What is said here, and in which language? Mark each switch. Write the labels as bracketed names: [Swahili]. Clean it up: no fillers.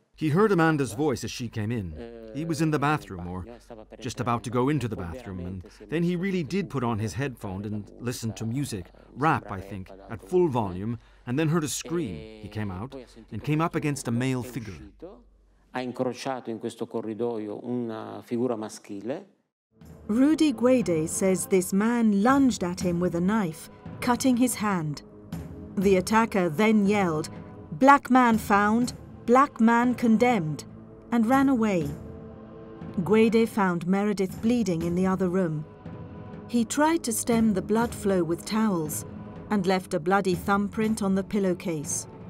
[English] He heard Amanda's voice as she came in. He was in the bathroom, or just about to go into the bathroom, and then he really did put on his headphone and listened to music, rap, I think, at full volume, and then heard a scream. He came out and came up against a male figure. [Italian] Ha incrociato in questo corridoio una figura maschile. [English] Rudy Guede says this man lunged at him with a knife, cutting his hand. The attacker then yelled, "Black man found, black man condemned," and ran away. Guede found Meredith bleeding in the other room. He tried to stem the blood flow with towels and left a bloody thumbprint on the pillowcase.